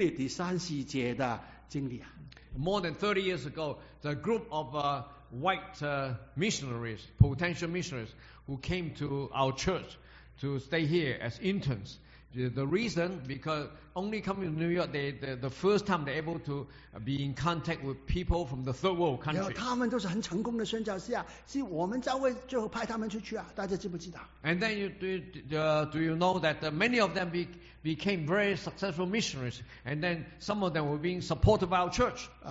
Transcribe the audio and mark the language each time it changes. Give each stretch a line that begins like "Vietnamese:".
Chinese: 我这试试啊，以前啊，我30多年前，有一批啊，在美国中部啊，那白人的宣教士啊，要来到我们教会学习啊，就因为他们要在纽约City啊，才能够经历第三世界的经历啊。
English: More than 30 years ago, the group of white missionaries, potential missionaries, who came to our church to stay here as interns. The reason, because only coming to New York, the first time they're able to be in contact with people from the third world country.
Chinese: 他们都是很成功的宣教士啊，是我们教会最后派他们出去啊，大家记不记得？
English: And then do you know that many of them became very successful missionaries, and then some of them were being supported by our church.